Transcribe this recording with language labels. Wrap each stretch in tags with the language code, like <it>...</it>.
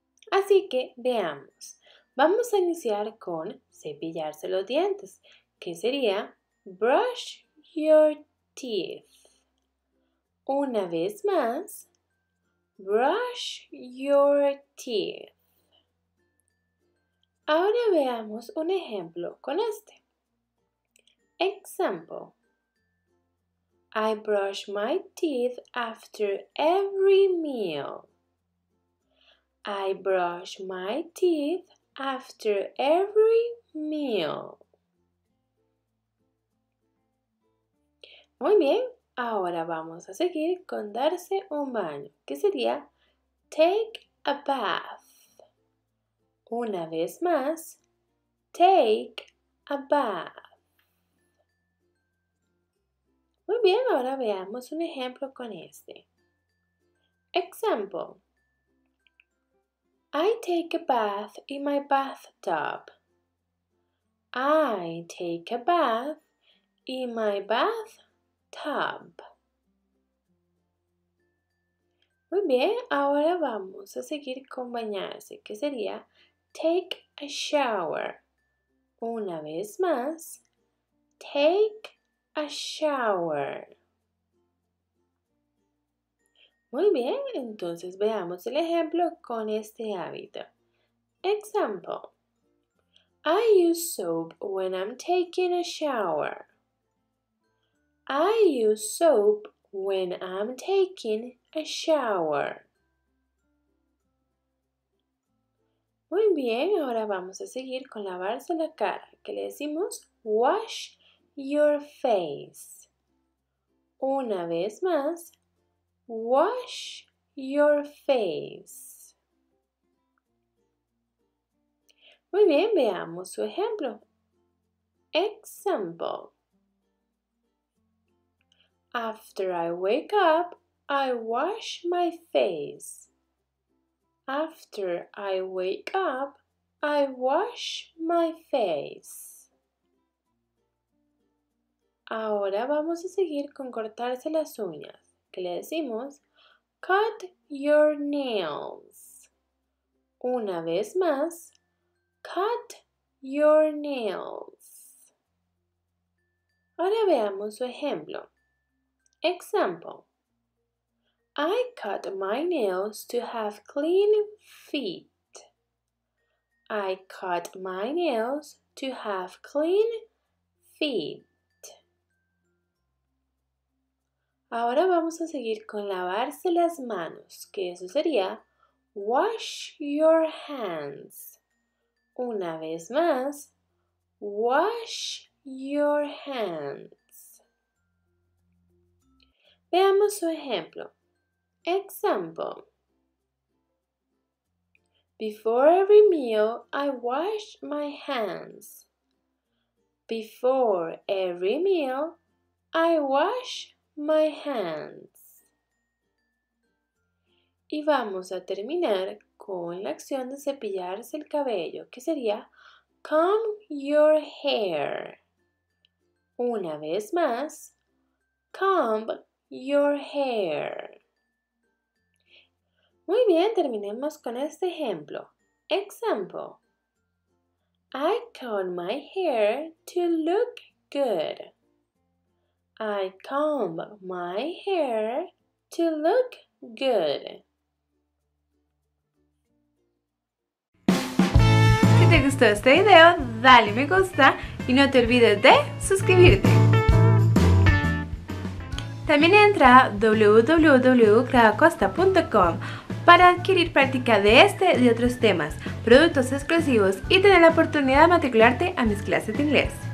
<es>Así que veamos. Vamos a iniciar con cepillarse los dientes, que sería</es> <en>brush your teeth.</en> <es>Una vez más,</es> <en>brush your teeth.</en> <es>Ahora veamos un ejemplo con este.</es> <en>Example, I brush my teeth after every meal. I brush my teeth after every meal.</en> <es>Muy bien, ahora vamos a seguir con darse un baño, que sería</es> <en>take a bath.</en> <es>Una vez más,</es> <en>take a bath.</en> <es>Muy bien, ahora veamos un ejemplo con este.</es> <en>Example. I take a bath in my bathtub. I take a bath in my bathtub.</en> <es>Muy bien, ahora vamos a seguir con bañarse, que sería</es> <en>take a shower.</en> <es>Una vez más,</es> <en>take a shower.</en> <es>Muy bien, entonces veamos el ejemplo con este hábito.</es> <en>Example. I use soap when I'm taking a shower. I use soap when I'm taking a shower.</en> <es>Muy bien, ahora vamos a seguir con lavarse la cara, que le decimos</es> <en>wash your face.</en> <es>Una vez más,</es> <en>wash your face.</en> <es>Muy bien, veamos su ejemplo.</es> <en>Example. After I wake up, I wash my face. After I wake up, I wash my face.</en> <es>Ahora vamos a seguir con cortarse las uñas, que le decimos</es> <en>cut your nails.</en> <es>Una vez más,</es> <en>cut your nails.</en> <es>Ahora veamos su ejemplo.</es> <en>Example. I cut my nails to have clean feet. I cut my nails to have clean feet.</en> <es>Ahora vamos a seguir con lavarse las manos, que eso sería</es> <en>wash your hands.</en> <es>Una vez más,</es> <en>wash your hands.</en> <es>Veamos su ejemplo.</es> <en>Example. Before every meal, I wash my hands. Before every meal, I wash my hands.</en> <es>Y vamos a terminar con la acción de cepillarse el cabello, que sería</es> <en>comb your hair.</en> <es>Una vez más,</es> <en>comb your hair.</en> <es>Muy bien, terminemos con este ejemplo.</es> <en>Example. I comb my hair to look good. I comb my hair to look good.</en> <es>Si te gustó este video, dale me gusta y no te olvides de suscribirte. También entra a www.clavacosta.com para adquirir práctica de este y de otros temas, productos exclusivos y tener la oportunidad de matricularte a mis clases de inglés.</es>